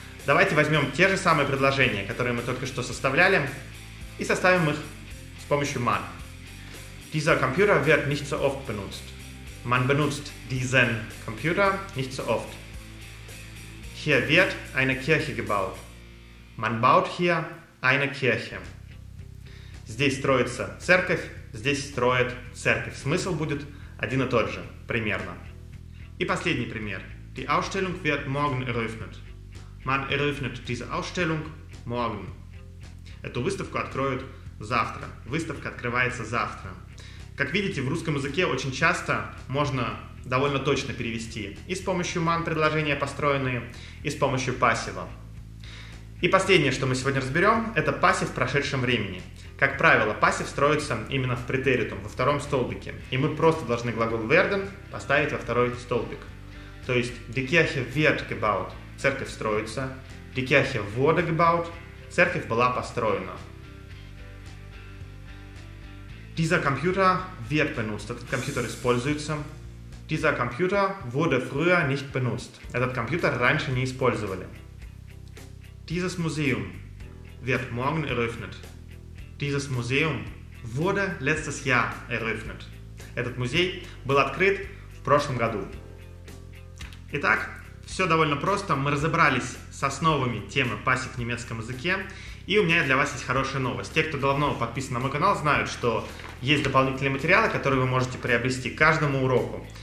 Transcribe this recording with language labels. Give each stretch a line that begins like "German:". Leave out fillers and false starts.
Russian: Давайте возьмем те же самые предложения, которые мы только что составляли, и составим их с помощью man.
German: Dieser Computer wird nicht so oft benutzt. Man benutzt diesen Computer nicht so oft. Hier wird eine Kirche gebaut. Man baut hier eine Kirche.
Russian: Здесь строится церковь, здесь строят церковь. Смысл будет один и тот же, примерно. И последний пример.
German: Die Ausstellung wird morgen eröffnet. Man eröffnet diese Ausstellung morgen.
Russian: Эту выставку откроют завтра. Выставка открывается завтра. Как видите, в русском языке очень часто можно довольно точно перевести и с помощью man предложения построенные, и с помощью пассива. И последнее, что мы сегодня разберем, это пассив в прошедшем времени. Как правило, пассив строится именно в претеритум, во втором столбике. И мы просто должны глагол werden поставить во второй столбик. То есть,
German: die Kirche wird gebaut –
Russian: церковь строится.
German: Die Kirche wurde gebaut –
Russian: церковь была построена.
German: Dieser Computer wird benutzt –
Russian: этот компьютер используется.
German: Dieser Computer wurde früher nicht benutzt –
Russian: этот компьютер раньше не использовали.
German: Dieses Museum wird morgen eröffnet. Dieses Museum wurde letztes Jahr eröffnet.
Russian: Этот музей был открыт в прошлом году. Итак, все довольно просто. Мы разобрались с основами темы пассив в немецком языке. И у меня для вас есть хорошая новость. Те, кто давно подписан на мой канал, знают, что есть дополнительные материалы, которые вы можете приобрести к каждому уроку.